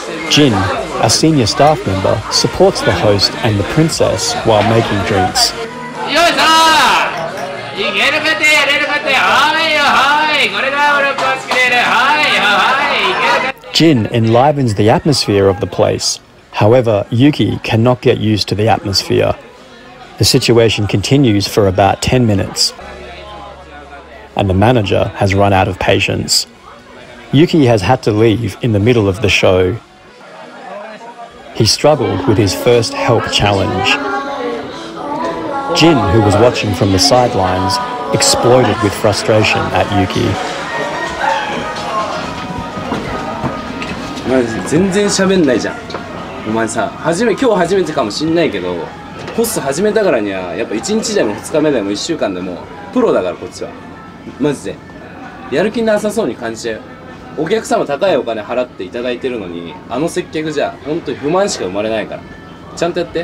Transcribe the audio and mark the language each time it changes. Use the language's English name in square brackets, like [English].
[English] Jin, a senior staff member, supports the host and the princess while making drinks。 [Japanese] よいしょ。いけるかて、やれるかて。はいよ、はい、これが俺を助ける。はいよ、はい、いけるか。 [English] Jin enlivens the atmosphere of the place. However, Yuki cannot get used to the atmosphere. The situation continues for about 10 minutes, and the manager has run out of patience. Yuki has had to leave in the middle of the show. He struggled with his first help challenge. Jin, who was watching from the sidelines, exploded with frustration at Yuki. [Japanese] 全然喋んないじゃん。お前さ、今日初めてかもしんないけど、ホスト始めたからにはやっぱ1日でも2日目でも1週間でもプロだから、こっちは。マジでやる気なさそうに感じちゃう。お客様高いお金払っていただいてるのに、あの接客じゃ本当に不満しか生まれないから、ちゃんとやって。